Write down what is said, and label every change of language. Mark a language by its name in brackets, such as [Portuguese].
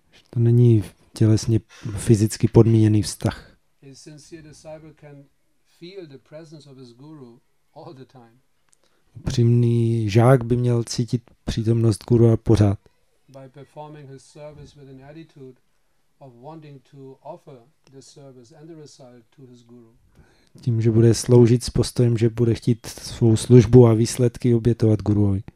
[Czech] To není tělesně fyzicky podmíněný vztah. [English] A sincere disciple can feel the presence of his guru all the time. [Czech] Upřímný žák by měl cítit přítomnost guru a pořád. [English] By performing his service with an attitude of wanting to offer the service and the result to his guru. [Czech] Tím, že bude sloužit s postojem, že bude chtít svou službu a výsledky obětovat guruovi.